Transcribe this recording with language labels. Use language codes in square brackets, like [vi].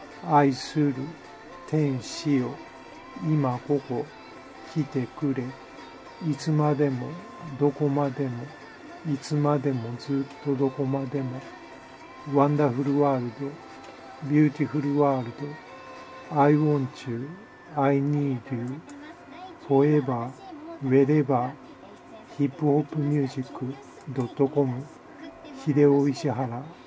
[ja] 愛する天使よ、今ここ来てくれ。いつまでもどこまでも、いつまでもずっとどこまでも。 [en] ワンダフルワールド、ビューティフルワールド。 I want you, I need you, forever, wherever. hiphopmusic.com ヒデオ石原。